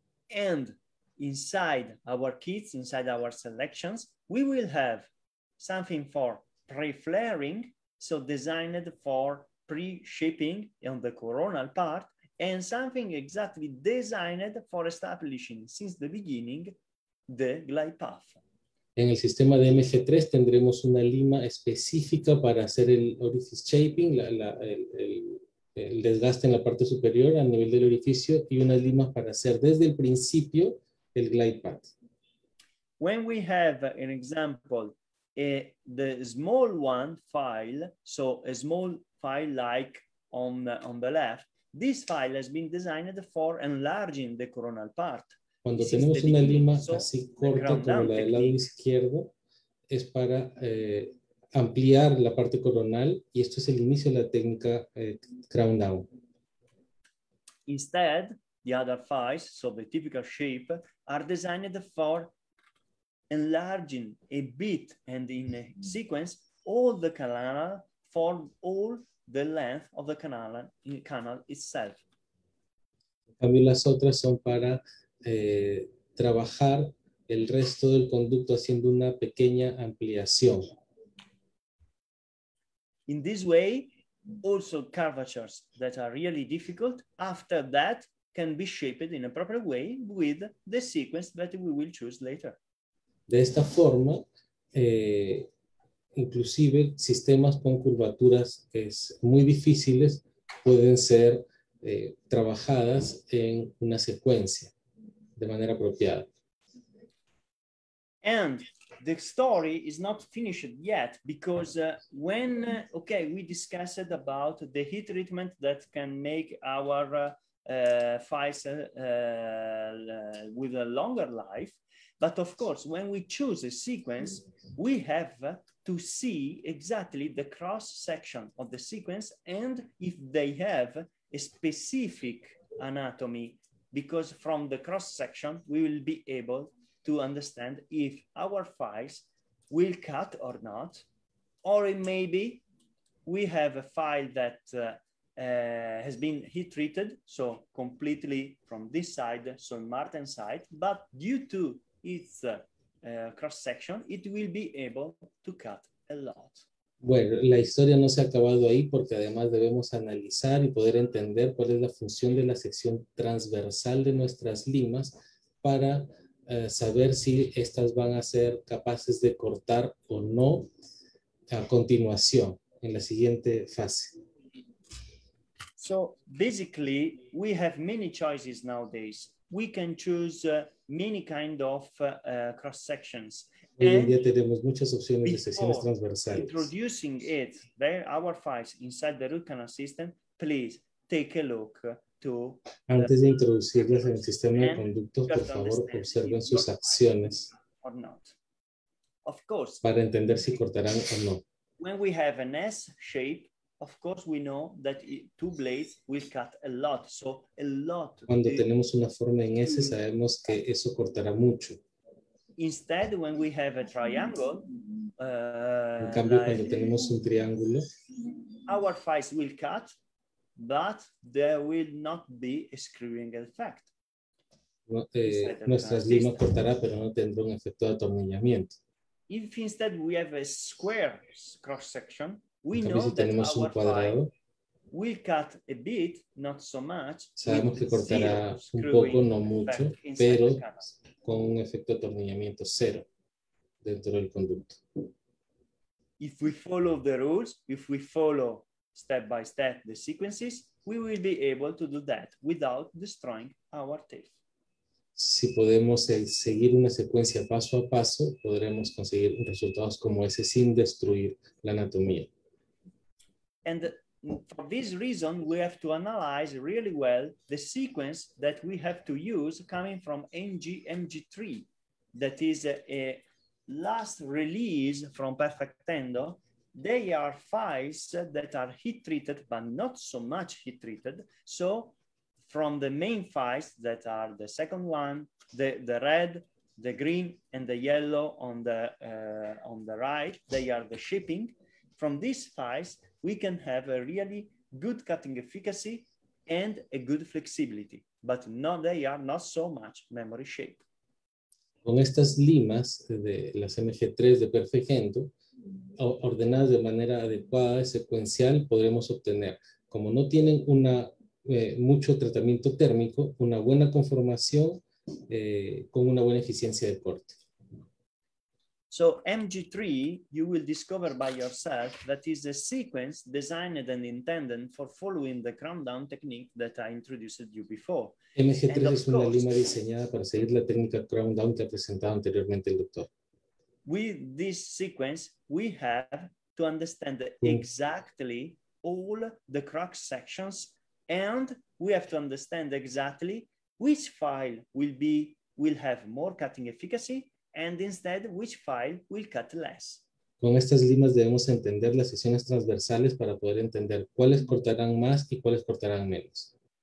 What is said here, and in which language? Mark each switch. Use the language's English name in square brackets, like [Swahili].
[English] And inside our kits, inside our selections, we will have something for pre-flaring, so designed for pre-shaping on the coronal part, and something exactly designed for establishing, since the beginning, the glide path. [Spanish] En el sistema de MG3 tendremos una lima específica para hacer el orifice shaping, el desgaste en la parte superior a nivel del orificio y unas limas para hacer desde el principio el glide path. [English] When we have an example, the small one file, so a small file like on the left, this file has been designed for enlarging the coronal part. [Spanish] Cuando tenemos una lima así corta como la del lado izquierdo, es para ampliar la parte coronal, y esto es el inicio de la técnica crown down. [English] Instead, the other files, so the typical shape, are designed for enlarging a bit and in a sequence all the canal for all the length of the canal itself. [Spanish] También las otras son para trabajar el resto del conducto haciendo una pequeña ampliación. [English] In this way, also curvatures that are really difficult, after that, can be shaped in a proper way with the sequence that we will choose later. [Spanish] De esta forma, inclusive sistemas con curvaturas es muy difíciles pueden ser trabajadas en una secuencia de manera apropiada. [English] And the story is not finished yet, because we discussed about the heat treatment that can make our files with a longer life. But of course, when we choose a sequence, we have to see exactly the cross section of the sequence and if they have a specific anatomy, because from the cross section, we will be able to understand if our files will cut or not, or maybe we have a file that has been heat treated, so completely from this side, so Martin's side, but due to its cross section, it will be able to cut a lot. [Spanish] Bueno, la historia no se ha acabado ahí, porque además debemos analizar y poder entender cuál es la función de la sección transversal de nuestras limas para saber si estas van a ser capaces de cortar o no a continuación, en la siguiente fase. [English] So basically, we have many choices nowadays. We can choose many kind of cross sections. [Spanish] Hoy en día tenemos muchas opciones de secciones transversales. [English] Introducing it, there our files inside the root canal system. Please take a look to. [Spanish] Antes de introducirlas en el sistema de conducto, por favor, observen sus acciones. [English] Or not. Of course. [Spanish] Para entender si cortarán o no. [English] When we have an S shape. Of course, we know that two blades will cut a lot. So a lot. [Spanish] Cuando tenemos una forma en S, sabemos que eso cortará mucho. [English] Instead, when we have a triangle, [Spanish] en cambio, cuando tenemos un triángulo, [English] our files will cut, but there will not be a screwing effect. [Spanish] Nuestras limas cortará, pero no tendrá un efecto de atornillamiento. [English] If instead we have a square cross section. We know si that our cuadrado, file will cut a bit, not so much. [Spanish] Sabemos que cortará un poco, no mucho, pero con un efecto de atornillamiento cero dentro del conducto. [English] If we follow the rules, if we follow step by step the sequences, we will be able to do that without destroying our teeth. [Spanish] Si podemos seguir una secuencia paso a paso, podremos conseguir resultados como ese sin destruir la anatomía. [English] And for this reason, we have to analyze really well the sequence that we have to use coming from NG-MG3, that is a last release from Perfect Endo. They are files that are heat-treated, but not so much heat-treated. So from the main files that are the second one, the red, the green, and the yellow on the right, they are the shaping. From these files, we can have a really good cutting efficacy and a good flexibility, but no, they are not so much memory shape. [Spanish] Con estas limas de las MG3 de Perfect Endo, ordenadas de manera adecuada y secuencial, podremos obtener, como no tienen una, mucho tratamiento térmico, una buena conformación con una buena eficiencia de corte. [English] So MG3, you will discover by yourself that is a sequence designed and intended for following the crown down technique that I introduced you before. [Spanish] MG3 es una lima diseñada para seguir la técnica crown down que ha presentado anteriormente el doctor. [English] With this sequence, we have to understand exactly all the cross sections, and we have to understand exactly which file will have more cutting efficacy. And instead, which file will cut less. [Spanish] Con estas limas debemos entender las secciones transversales para poder entender cuáles cortarán más y cuáles cortarán menos.